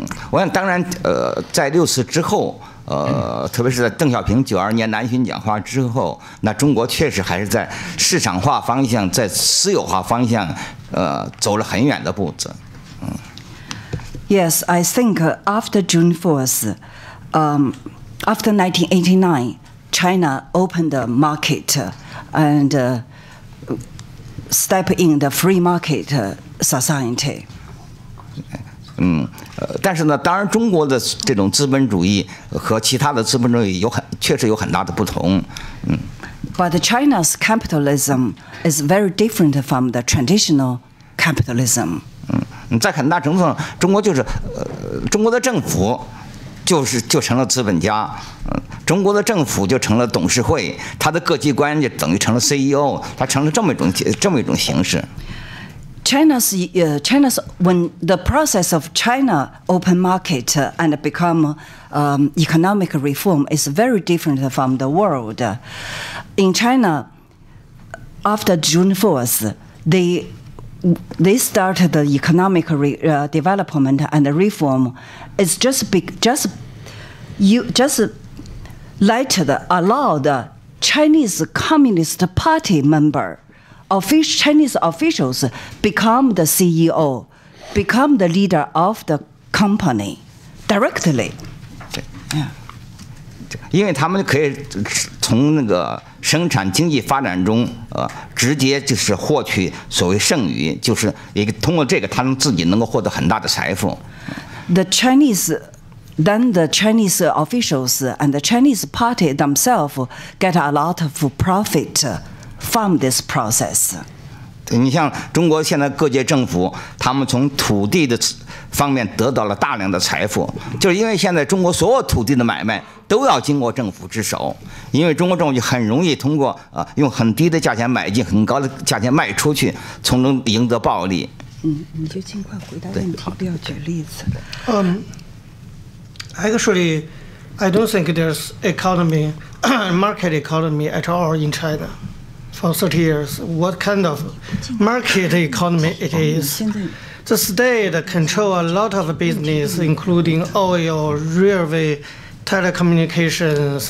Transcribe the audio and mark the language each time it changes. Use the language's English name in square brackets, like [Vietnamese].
[Chinese] 我想当然，在六四之后，特别是在邓小平92年南巡讲话之后，那中国确实还是在市场化方向、在私有化方向，走了很远的步子。 [English] Yes, I think after June 4th, after 1989, China opened the market and step in the free market society. [Chinese] 但是呢，当然中国的这种资本主义和其他的资本主义确实有很大的不同。 [English] But China's capitalism is very different from the traditional capitalism. [Chinese] 在很大程度上，中国就是中国的政府就成了资本家，中国的政府就成了董事会，他的各级官就等于成了 CEO， 他成了这么一种形式。 [English] China's when the process of China open market and become economic reform is very different from the world. In China, after June 4th, they started the economic development and the reform. It's allowed the Chinese Communist Party member, Chinese officials become the CEO, become the leader of the company directly. [Chinese] 因为他们可以从那个生产经济发展中，直接就是获取所谓剩余，就是也通过这个，他们自己能够获得很大的财富。 [English] The Chinese officials and the Chinese party themselves get a lot of profit from this process. [Chinese] 对，你像中国现在各界政府，他们从土地的方面得到了大量的财富，就是因为现在中国所有土地的买卖都要经过政府之手，因为中国政府就很容易通过用很低的价钱买进，很高的价钱卖出去，从中赢得暴利。你就尽快回答问题，不要举例子。 [English] Actually, I don't think there's economy, market economy at all in China for 30 years. What kind of market economy it is? The state control a lot of business, including oil, railway, telecommunications.